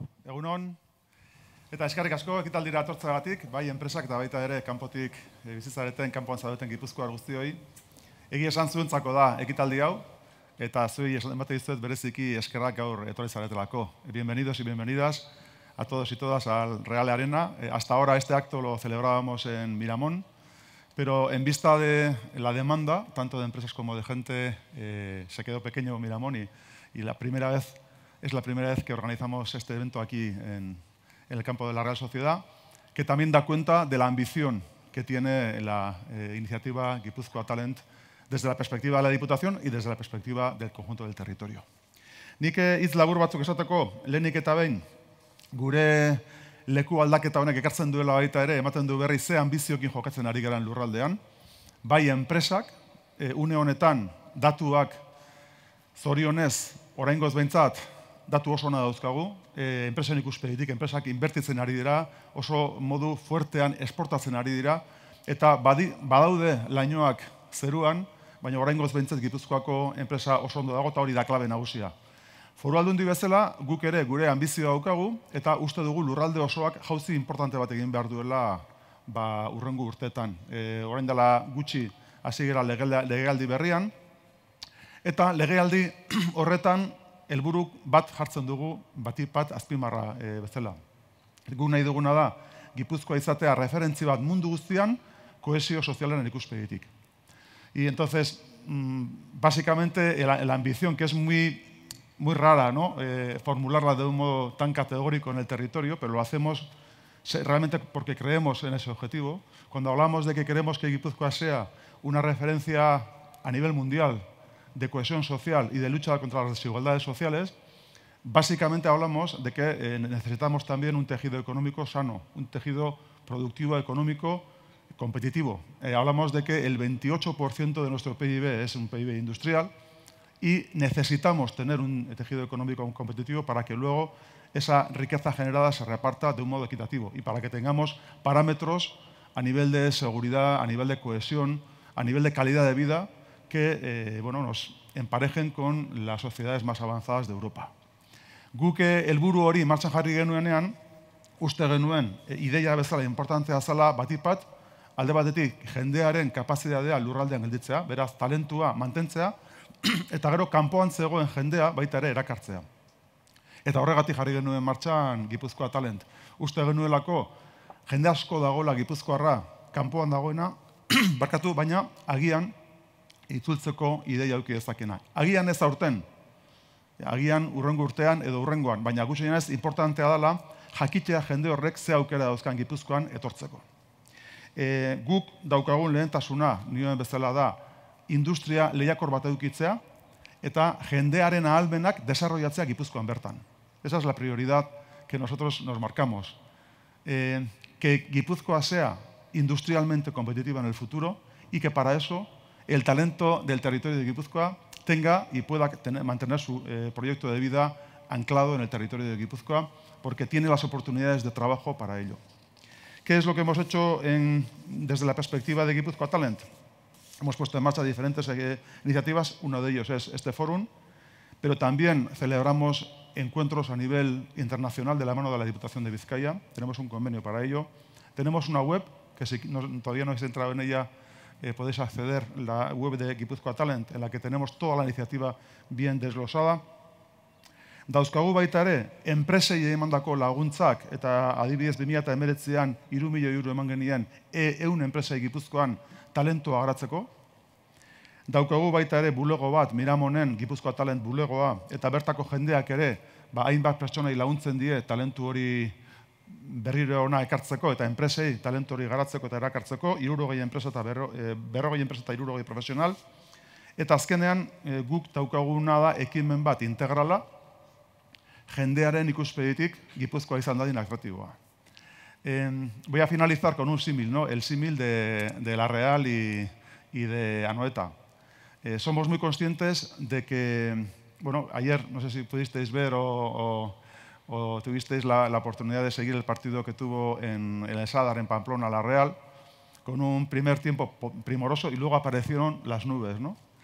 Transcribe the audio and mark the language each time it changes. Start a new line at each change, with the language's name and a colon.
Basque: Egunon, eta eskarrik asko ekitaldira atortzagatik, bai enpresak eta baita ere kanpotik bizitzareten, kanpoan zaudeten Gipuzkoar guztioi. Egi esan zuentzako da ekitaldi hau, eta zuei esan bat egiztuet bereziki eskerrak gaur etorri zaretelako.
Spanish: Bienvenidos y bienvenidas a todos y todas al Real Arena. Hasta ahora este acto lo celebrábamos en Miramón, pero en vista de la demanda, tanto de empresas como de gente, se quedó pequeño Miramón y la primera vez es la primera vez que organizamos este evento aquí en el campo de la Real Sociedad, que también da cuenta de la ambición que tiene la iniciativa Gipuzkoa Talent desde la perspectiva de la Diputación y desde la perspectiva del conjunto del territorio.
Basque: Nik hitz labur batzuk esateko, lehenik eta behin, gure leku aldaketa honek ekartzen duela baita ere, ematen du berri ze ambiziokin jokatzen ari garen lurraldean, bai enpresak, une honetan datuak zorionez, oraingoz behintzat, datu oso ona dauzkagu, enpresen ikuspegitik, enpresak inbertitzen ari dira, oso modu fuertean esportatzen ari dira, eta badaude lainoak zeruan, baina oraingoz behintzat Gipuzkoako enpresa oso ondo dago, eta hori da klabe nagusia. Foru aldundi bezala, guk ere gure ambizioa daukagu, eta uste dugu lurralde osoak jauzi importante bat egin behar duela urrengo urteetan. Orain dela gutxi hasi gera legealdi berrian, eta legealdi horretan, helburu bat jartzen dugu, batik bat azpimarra bezala. Gu nahi duguna da, Gipuzkoa izatea referentzi bat mundu guztian, kohesio sozialen ikuspegitik.
Spanish: Y entonces, básicamente, la ambición, que es muy rara, ¿no? Formularla de un modo tan categórico en el territorio, pero lo hacemos realmente porque creemos en ese objetivo. Cuando hablamos de que queremos que Gipuzkoa sea una referencia a nivel mundial, de cohesión social y de lucha contra las desigualdades sociales, básicamente hablamos de que necesitamos también un tejido económico sano, un tejido productivo económico competitivo. Hablamos de que el 28% de nuestro PIB es un PIB industrial y necesitamos tener un tejido económico competitivo para que luego esa riqueza generada se reparta de un modo equitativo y para que tengamos parámetros a nivel de seguridad, a nivel de cohesión, a nivel de calidad de vida, que bueno, nos emparejen con las sociedades más avanzadas de Europa.
Basque: Guk helburu hori martxan jarri genuenean, uste genuen ideia bezala importantzia zela batipat, alde batetik jendearen kapazitatea lurraldean gelditzea, beraz talentua mantentzea, eta gero kanpoan zegoen jendea baita ere erakartzea. Eta horregatik jarri genuen martxan Gipuzkoa Talent. Uste genuelako jende asko dagoela gipuzkoarra kanpoan dagoena, barkatu, baina agian, itzultzeko ideia duki dezakena. Agian ez aurten, agian urrengo urtean edo urrengoan, baina gutxienez importantea dela jakitea jende horrek ze aukera dauzkan Gipuzkoan etortzeko. Guk daukagun lehentasuna, nioen bezala da, industria lehiakor bat edukitzea eta jendearen ahalmenak desarrollatzea Gipuzkoan bertan.
Spanish: Esa es la prioridad que nosotros nos marcamos. Que Gipuzkoa sea industrialmente competitiva en el futuro y que para eso el talento del territorio de Gipuzkoa tenga y pueda tener, mantener su proyecto de vida anclado en el territorio de Gipuzkoa, porque tiene las oportunidades de trabajo para ello. ¿Qué es lo que hemos hecho desde la perspectiva de Gipuzkoa Talent? Hemos puesto en marcha diferentes iniciativas, uno de ellos es este fórum, pero también celebramos encuentros a nivel internacional de la mano de la Diputación de Vizcaya, tenemos un convenio para ello. Tenemos una web, que si todavía no habéis entrado en ella, podéis acceder a la web de Gipuzkoa Talent, en la que tenemos toda la iniciativa bien desglosada.
Basque: Dauzkagu baita ere, enpresei emandako laguntzak, eta adibidez 2019an 3 milioi euro eman genien ehun enpresei Gipuzkoan talentua garatzeko. Daukagu baita ere bulego bat, Miramonen Gipuzkoa Talent bulegoa, eta bertako jendeak ere, ba, hainbat pertsonei laguntzen die talentu hori berriro ona ekartzeko, eta enpresei talentu hori garatzeko eta erakartzeko, 60 enpresa eta 40 enpresa eta 60 profesional. Eta azkenean, guk daukaguna da ekimen bat integrala, jendearen ikuspegitik Gipuzkoa izan dadin atraktiboa.
Spanish: Voy a finalizar con un símil, ¿no? El símil de La Real y de Anoeta. Somos muy conscientes de que, bueno, ayer no sé si pudisteis ver o tuvisteis la oportunidad de seguir el partido que tuvo en el Sadar, en Pamplona, La Real, con un primer tiempo primoroso y luego aparecieron las nubes, ¿no?